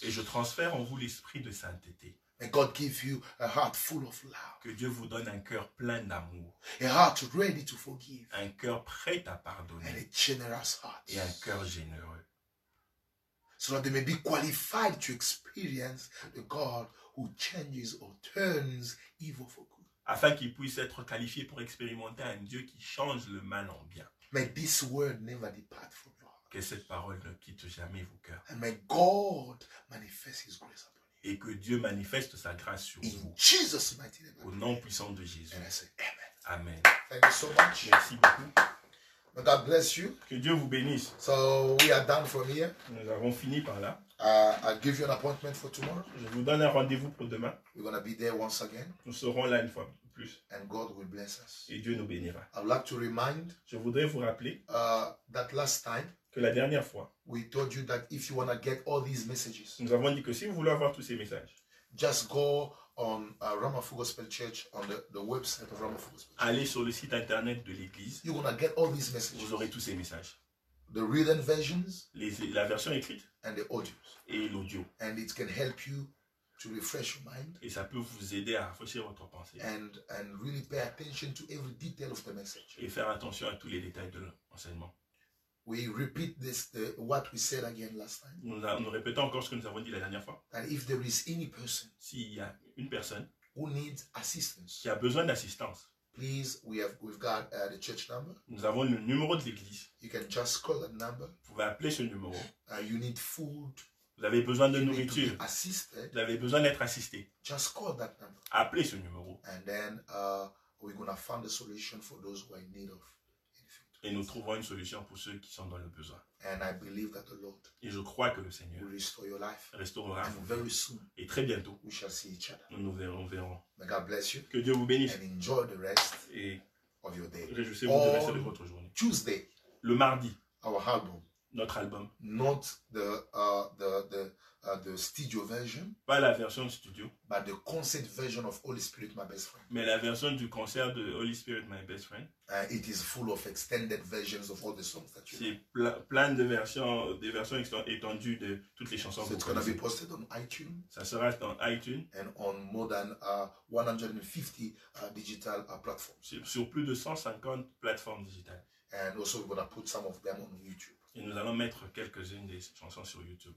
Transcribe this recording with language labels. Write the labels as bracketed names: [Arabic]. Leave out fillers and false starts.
[French] Et je transfère en vous l'esprit de sainteté. [English] May God give you a heart full of love. [French] Que Dieu vous donne un cœur plein d'amour. [English] A heart ready to forgive. [French] Un cœur prêt à pardonner. [English] And a generous heart. [French] Et un cœur généreux. [English] So that they may be qualified to experience the God who changes or turns evil for good. [French] Afin qu'ils puissent être qualifiés pour expérimenter un Dieu qui change le mal en bien. [English] May this word never depart from you. [French] Que cette parole ne quitte jamais vos cœurs. [English] And may God manifest his grace upon you. [French] Et que Dieu manifeste sa grâce sur [English] In [French] vous. [English] Jesus mighty name. [French] Au nom puissant de Jésus. [English] And I say, amen. [French] Amen. [English] Thank you so much. [French] Merci beaucoup. [English] May God bless you. [French] Que Dieu vous bénisse. [English] So we are done from here. [French] Nous avons fini par là. [English] I'll give you an appointment for tomorrow. [French] Je vous donne un rendez-vous pour demain. [English] We're gonna be there once again. [French] Nous serons là une fois plus. [English] And God will bless us. [French] Et Dieu nous bénira. [English] I would like to remind. [French] Je voudrais vous rappeler. [English] That last time. [French] Que la dernière fois, [English] we told you that if you want to get all these messages, [French] nous avons dit que si vous voulez avoir tous ces messages, [English] just go on Ramaphosa Gospel Church on the website of Ramaphosa Gospel Church. [French] Allez sur le site internet de l'église. [English] You're gonna get all these messages. [French] Vous aurez tous ces messages. [English] The written versions, [French] la version écrite, [English] and the audio, [French] et l'audio, [English] and it can help you to refresh your mind. [French] Et ça peut vous aider à rafraîchir votre pensée. [English] And really pay attention to every detail of the message. [French] Et faire attention à tous les détails de l'enseignement. [English] We repeat this what we said again last time. [French] Nous répétons encore ce que nous avons dit la dernière fois. [English] That if there is any person, [French] s'il y a une personne, [English] who needs assistance, [French] qui a besoin d'assistance, [English] please we've got the church number. [French] Nous avons le numéro de l'église. [English] You can just call that number. [French] Vous pouvez appeler ce numéro. [English] You need food. [French] Vous avez besoin de nourriture. [English] Need to be assisted. [French] Vous avez besoin d'être assisté. [English] Just call that number. [French] Appelez ce numéro. [English] And then we're gonna find a solution for those who are in need of. [French] Et nous trouverons une solution pour ceux qui sont dans le besoin. [English] And I believe that the Lord [French] et je crois que le Seigneur [English] will restore your life [French] restaurera [English] and very soon [French] et très bientôt [English] we shall see each other. [French] Nous nous verrons. [English] May God bless you. [French] Que Dieu vous bénisse. [English] And enjoy the rest of your day. [French] Réjouissez-vous du reste de votre journée. [English] Tuesday, [French] le mardi, [English] our album, [French] notre album. [English] Not the studio version. [French] Pas la version de studio. [English] But the concert version of Holy Spirit, My Best Friend. [French] Mais la version du concert de Holy Spirit, My Best Friend. [English] It is full of extended versions of all the songs that you. [French] C'est plein de versions, des versions étendues de toutes les chansons. [English] It's gonna be posted on iTunes. [French] Ça sera dans iTunes. [English] And on more than 150 digital platforms. [French] Sur plus de 150 plateformes digitales. [English] And also we're gonna put some of them on YouTube. [French] Et nous allons mettre quelques-unes des chansons sur YouTube.